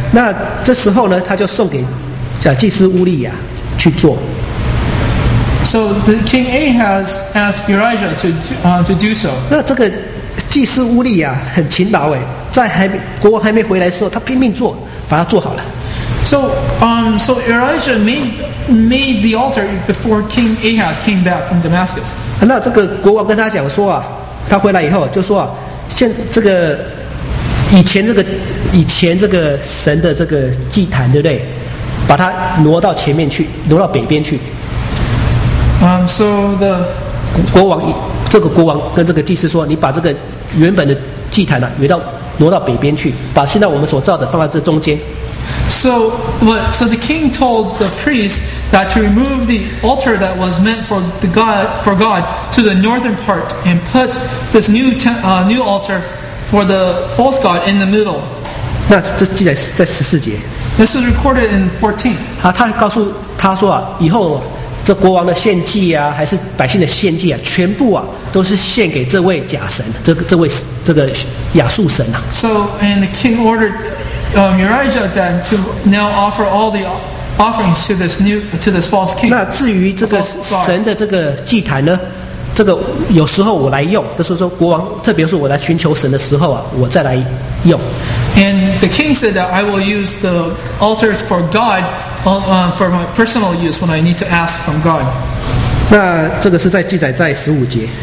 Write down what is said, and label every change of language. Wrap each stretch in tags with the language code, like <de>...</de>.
<zh>那这时候呢，他就送给祭司乌利亚去做。</zh> <en>So the king Ahaz asked Urijah to do so.</en> <zh>那这个祭司乌利亚很勤劳哎，在还没国王还没回来的时候，他拼命做，把它做好了。</zh> <en>So Urijah made the altar before King Ahaz came back from Damascus.</en> <zh>那这个国王跟他讲说啊，他回来以后就说啊，现这个以前这个神的这个祭坛，对不对？把它挪到前面去，挪到北边去。</zh> <en>So the</en> <zh>国王这个国王跟这个祭司说，你把这个原本的祭坛呢、啊，挪到北边去，把现在我们所造的放在这中间。</zh> <en>So the king told the priest that to remove the altar that was meant for the God for God to the northern part and put this new altar for the false god in the middle.</en> <zh>那这记载在十四节。</zh> <en>This is recorded in 14.</en> <zh>好，他告诉他说啊，以后这国王的献祭啊，还是百姓的献祭啊，全部啊都是献给这位假神，这位亚述神啊。</zh> <en>So and the king ordered. Urijah then to now offer all the offerings to this new to this false king.</en> <zh>那至于这个神的这个祭坛呢，这个有时候我来用，就是说国王，特别是我来寻求神的时候啊，我再来用。</zh> <en>And the king said that I will use the altar for God, for my personal use when I need to ask from God.</en> <zh>那这个是在记载在十五节。</zh>